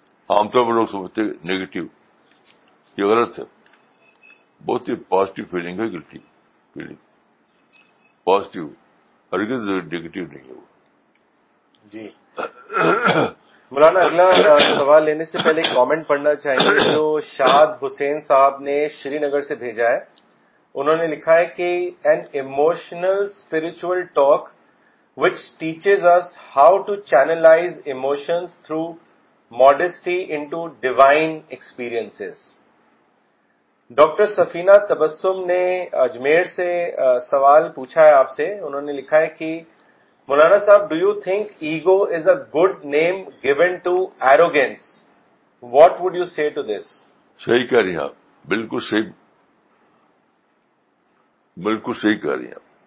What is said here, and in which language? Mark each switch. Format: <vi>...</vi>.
<ur>عام طور پر لوگ سمجھتے ہیں نیگیٹو, یہ غلط ہے, بہت ہی پازیٹو فیلنگ ہے گلٹی فیلنگ, پازیٹو, ہرگز نیگیٹو نہیں ہے وہ. جی مولانا اگلا سوال لینے سے پہلے کامنٹ پڑھنا چاہیں گے جو شاد حسین صاحب نے شری نگر سے بھیجا ہے. انہوں نے لکھا ہے کہ</ur> <en>An emotional spiritual talk which teaches us how to channelize emotions through modesty into divine experiences.</en> <ur>Doctor سفینہ تبسم نے اجمیر سے سوال پوچھا ہے آپ سے. انہوں نے لکھا ہے کہ مولانا صاحب</ur> <en>Do you think ego is a good name given to arrogance? What would you say to this?</en> <ur>صحیح کہہ رہی ہیں آپ, بالکل صحیح, بالکل صحیح کہہ رہی ہیں.</ur>